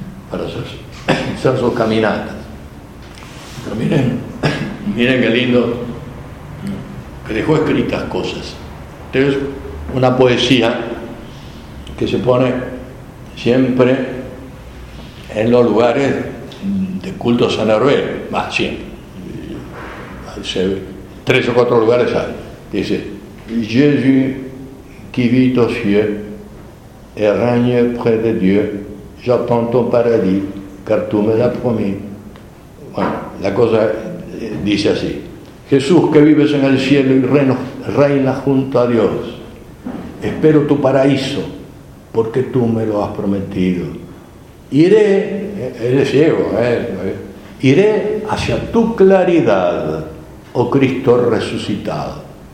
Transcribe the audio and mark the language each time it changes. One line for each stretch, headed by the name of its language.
Spanish: Para hacer sus caminatas. Pero miren qué lindo, que dejó escritas cosas. Entonces, una poesía que se pone siempre en los lugares de culto San Hervé, más siempre. Tres o cuatro lugares hay. Dice:
French: Jésus qui vit aux cieux et règne près de Dieu, j'attends ton paradis car tu me l'as promis.
Spanish: Bueno, la cosa dice así: Jesús que vives en el cielo y reina junto a Dios, espero tu paraíso porque tú me lo has prometido. Iré, él es ciego, iré hacia tu claridad, oh Cristo resucitado.